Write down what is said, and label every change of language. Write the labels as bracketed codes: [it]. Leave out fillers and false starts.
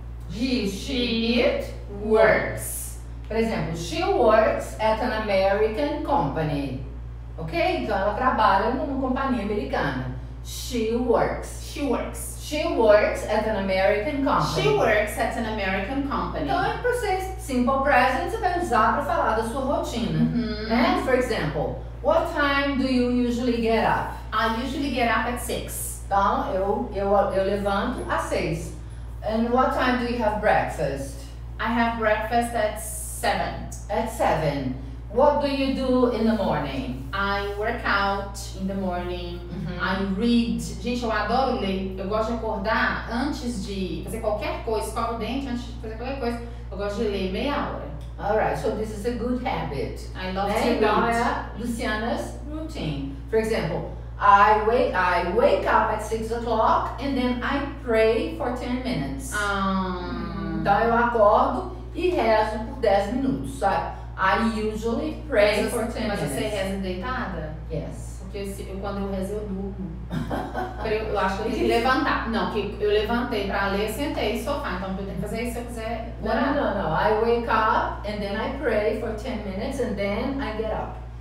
[en] He, she, it works. [pt] Por exemplo, [en] she works at an American company. Ok? [pt] Então, ela trabalha numa companhia americana. [en] She works. She works. She works at an American company. She works at an American company. [pt] Então, é pra vocês, simple present, você vai usar pra falar da sua rotina. Uhum. Né? [en] For example, what time do you usually get up? I usually get up at 6. [pt] Então, eu levanto às 6. [en] And what time do you have breakfast? I have breakfast at 7. At 7. What do you do in the morning? I work out in the morning. Mm-hmm. I read. [pt] Gente, eu adoro ler. Eu gosto de acordar antes de fazer qualquer coisa. Escovar o dente antes de fazer qualquer coisa. Eu gosto de ler meia hora. [en] Alright, so this is a good habit. I love to read. Agora, Luciana's routine. For example, I wake up at 6 o'clock and then I pray for 10 minutes. [pt] Então eu acordo e rezo por 10 minutos. [en] So I usually pray for 10 minutes. [pt] Mas você reza deitada? [en] Yes. [pt] Porque quando eu rezo eu durmo. Eu acho que eu tenho que levantar. Não, que eu levantei para ler, sentei e sofá. Então eu tenho que fazer isso se eu quiser. Não. [en] I wake up and then I pray for 10 minutes and then I get up.